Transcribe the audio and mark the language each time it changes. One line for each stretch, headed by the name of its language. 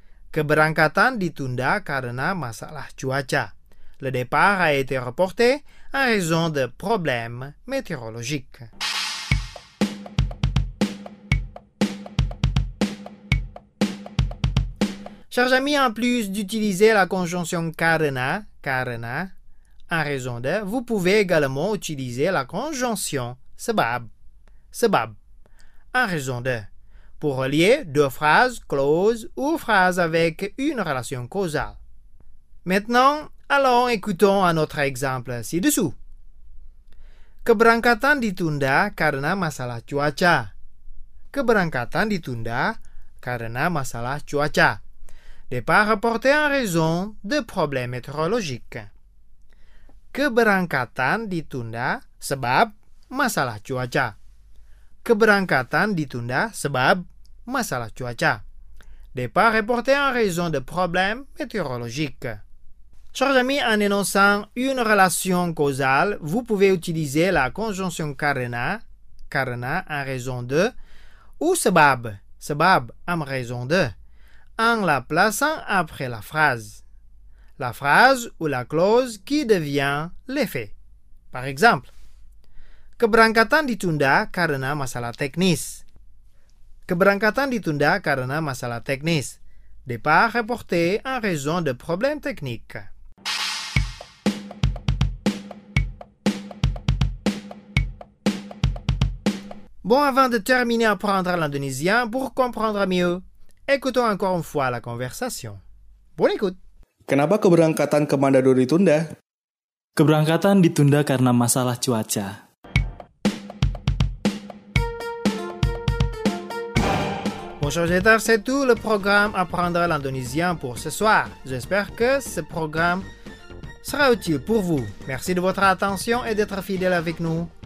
Indonesian: Keberangkatan ditunda karena masalah cuaca.
French: Le départ a été reporté en raison de problèmes météorologiques. Chers amis, en plus d'utiliser la conjonction karena, karena, en raison de, vous pouvez également utiliser la conjonction sebab, sebab, en raison de, pour relier deux phrases, clauses ou phrases avec une relation causale. Maintenant, allons écoutons un autre exemple ci-dessous.
Indonesian: Keberangkatan ditunda karena masalah cuaca. Keberangkatan ditunda karena masalah cuaca.
French: Départ reporté en raison de problèmes météorologiques.
Indonesian: keberangkatan ditunda sebab masalah cuaca. Keberangkatan ditunda sebab masalah cuaca.
French: Départ reporté en raison de problèmes météorologiques. Chers amis, en énonçant une relation causale, vous pouvez utiliser la conjonction carena, carena en raison de, ou sebab, sebab en raison de, en la plaçant après la phrase. La phrase ou la clause qui devient l'effet. Par exemple,
Indonesian: keberangkatan ditunda karena masalah teknis. Keberangkatan ditunda karena masalah teknis.
French: Départ reporté en raison de problèmes techniques. Bon, avant de terminer apprendre l'indonésien, pour comprendre mieux, écoutons encore une fois la conversation. Bonne écoute.
Indonesian: Kenapa keberangkatan ke Mandado ditunda? Keberangkatan ditunda karena masalah cuaca.
French: Bonjour, Jeter, c'est tout le programme Apprendre l'indonésien pour ce soir. J'espère que ce programme sera utile pour vous. Merci de votre attention et d'être fidèle avec nous.